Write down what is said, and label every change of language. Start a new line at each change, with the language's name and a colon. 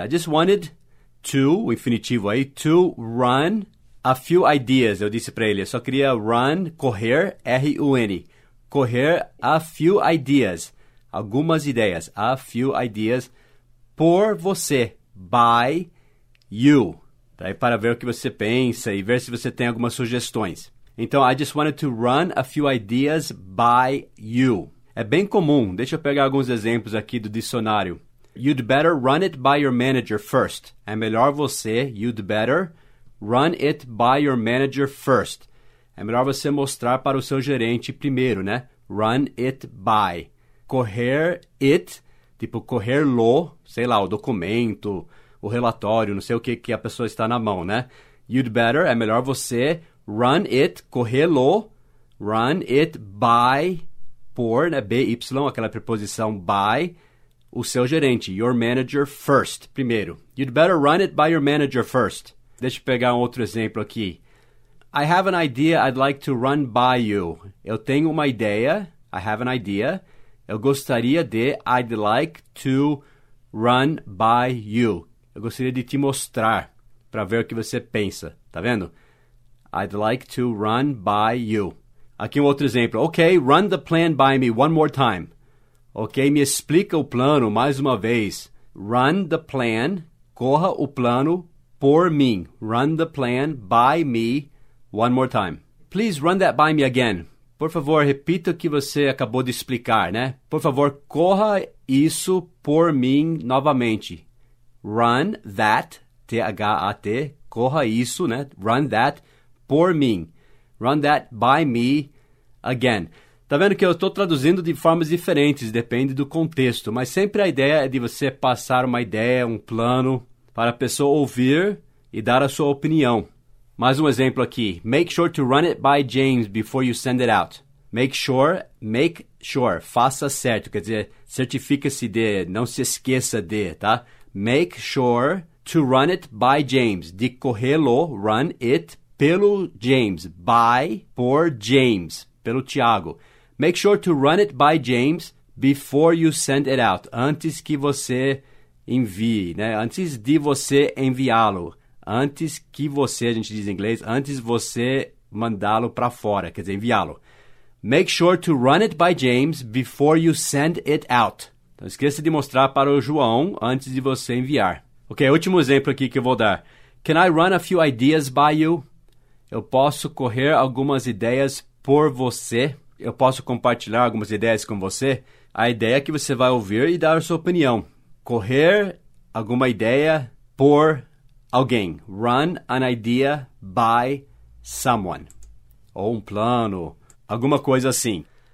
English: I just wanted to,
Portuguese: o infinitivo aí,
English: to run a few ideas,
Portuguese: eu disse para ele. Eu só queria run, correr, R-U-N, correr
English: a few ideas,
Portuguese: algumas ideias, a few ideas, por você,
English: by you.
Portuguese: Daí para ver o que você pensa e ver se você tem algumas sugestões. Então,
English: I just wanted to run a few ideas by you.
Portuguese: É bem comum, deixa eu pegar alguns exemplos aqui do dicionário.
English: You'd better run it by your manager first.
Portuguese: É melhor você,
English: you'd better run it by your manager first.
Portuguese: É melhor você mostrar para o seu gerente primeiro, né?
English: Run it by.
Portuguese: Correr it, tipo correr lo, sei lá, o documento, o relatório, não sei o que, que a pessoa está na mão, né?
English: You'd better,
Portuguese: é melhor você,
English: run it,
Portuguese: correr lo,
English: run it by...
Portuguese: Por, né, B-Y, aquela preposição by, o seu gerente,
English: your manager first,
Portuguese: primeiro.
English: You'd better run it by your manager first.
Portuguese: Deixa eu pegar um outro exemplo aqui.
English: I have an idea I'd like to run by you.
Portuguese: Eu tenho uma ideia,
English: I have an idea,
Portuguese: eu gostaria de,
English: I'd like to run by you.
Portuguese: Eu gostaria de te mostrar, para ver o que você pensa, tá vendo?
English: I'd like to run by you.
Portuguese: Aqui um outro exemplo.
English: Ok, run the plan by me one more time.
Portuguese: Ok, me explica o plano mais uma vez.
English: Run the plan,
Portuguese: corra o plano por mim.
English: Run the plan by me one more time. Please run that by me again.
Portuguese: Por favor, repita o que você acabou de explicar, né? Por favor, corra isso por mim novamente.
English: Run that,
Portuguese: T-H-A-T, corra isso, né?
English: Run that
Portuguese: por mim.
English: Run that by me again.
Portuguese: Tá vendo que eu estou traduzindo de formas diferentes, depende do contexto. Mas sempre a ideia é de você passar uma ideia, um plano, para a pessoa ouvir e dar a sua opinião. Mais um exemplo aqui.
English: Make sure to run it by James before you send it out. Make sure,
Portuguese: faça certo. Quer dizer, certifica-se de, não se esqueça de, tá?
English: Make sure to run it by James.
Portuguese: De correr-lo,
English: run it
Portuguese: pelo James.
English: By,
Portuguese: por James, pelo Tiago.
English: Make sure to run it by James before you send it out.
Portuguese: Antes que você envie, né? Antes de você enviá-lo. Antes que você, a gente diz em inglês, antes você mandá-lo para fora, quer dizer, enviá-lo.
English: Make sure to run it by James before you send it out.
Portuguese: Então, esqueça de mostrar para o João antes de você enviar. Ok, último exemplo aqui que eu vou dar.
English: Can I run a few ideas by you?
Portuguese: Eu posso correr algumas ideias por você? Eu posso compartilhar algumas ideias com você? A ideia é que você vai ouvir e dar a sua opinião. Correr alguma ideia por alguém,
English: run an idea by someone,
Portuguese: ou um plano, alguma coisa assim.